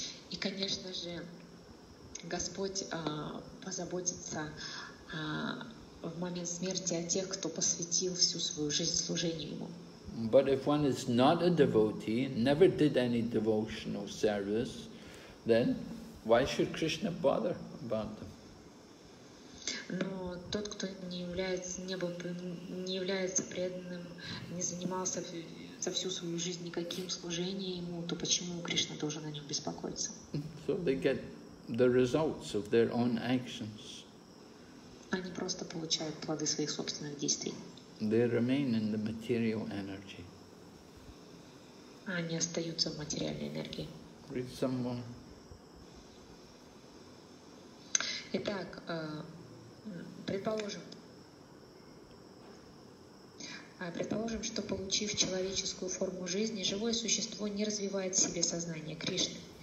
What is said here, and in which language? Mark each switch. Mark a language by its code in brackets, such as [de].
[ru] И, конечно же, Господь позаботится в момент смерти о тех, кто посвятил всю свою жизнь служению ему. [en] But if one is not a devotee, never did any devotional service, then why should Krishna bother about them? [ru] Но тот, кто не является, не является преданным, не занимался за всю свою жизнь никаким служением ему, то почему Кришна должен о нем беспокоиться? [en] So they get the results of their own actions. [ru] Они просто получают плоды своих собственных действий. [en] They remain in the material energy. [ru] Они остаются в материальной энергии. [en] Read some more. [ru] Итак, Предположим, что, получив человеческую форму жизни, живое существо не развивает в себе сознание Кришны.